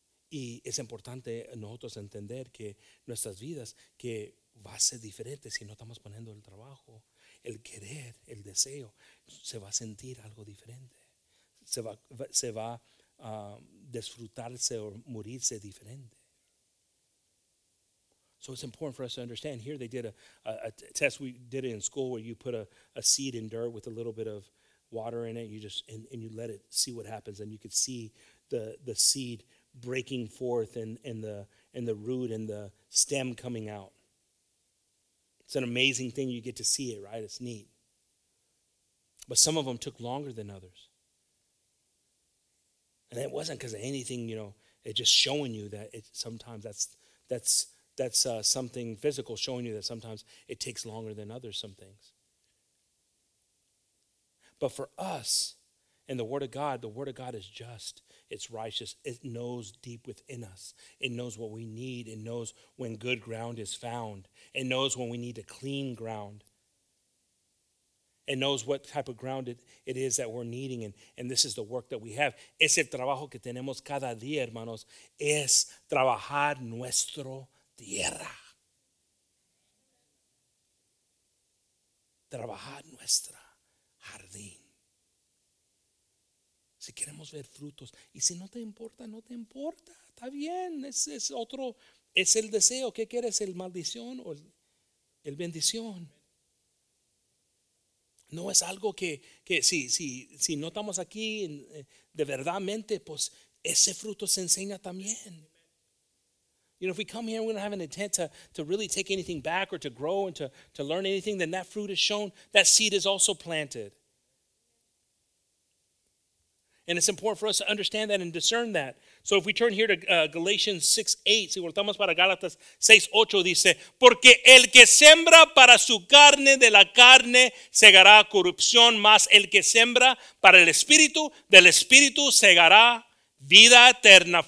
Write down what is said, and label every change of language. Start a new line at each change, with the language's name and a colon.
Spanish: Y es importante nosotros entender que nuestras vidas, que va a ser diferente si no estamos poniendo el trabajo, el querer, el deseo, se va a sentir algo diferente. Se va a disfrutarse o morirse diferente.
English: So it's important for us to understand. Here they did a test. We did it in school where you put a seed in dirt with a little bit of water in it. You you let it see what happens, and you could see the seed breaking forth and the root and the stem coming out. It's an amazing thing. You get to see it, right? It's neat. But some of them took longer than others. And it wasn't because of anything, you know. It's just showing you that it, sometimes that's something physical showing you that sometimes it takes longer than others, some things. But for us, in the Word of God is just, it's righteous, it knows deep within us. It knows what we need, it knows when good ground is found. It knows when we need a clean ground. It knows what type of ground it is that we're needing, and this is the work that we have.
Spanish: Ese trabajo que tenemos cada día, hermanos, es trabajar nuestro tierra. Trabajar nuestra jardín. Si queremos ver frutos, y si no te importa, no te importa. Está bien, es otro, es el deseo. ¿Qué quieres, el maldición o el bendición? No es algo que si no estamos aquí de verdadmente, pues ese fruto se enseña también.
English: You know, if we come here and we don't have an intent to really take anything back or to grow and to learn anything, then that fruit is shown. That seed is also planted. And it's important for us to understand that and discern that. So if we turn here to Galatians 6:8,
Spanish: si voltamos para Gálatas 6:8, dice, porque el que sembra para su carne de la carne segará corrupción, mas el que sembra para el espíritu del espíritu segará vida eterna.